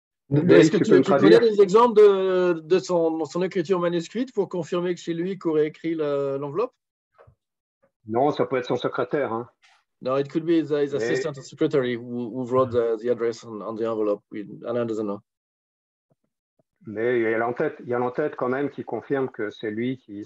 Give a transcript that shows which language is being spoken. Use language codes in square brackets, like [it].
[fr] Oui, est-ce que tu peux donner des exemples de son écriture manuscrite pour confirmer que c'est lui qui aurait écrit l'enveloppe? Non, ça peut être son secrétaire. Hein. [en] No, it could be his assistant or secretary who wrote the address on the envelope. Alain doesn't know. [fr] Mais il y a l'entête quand même qui confirme que c'est lui qui.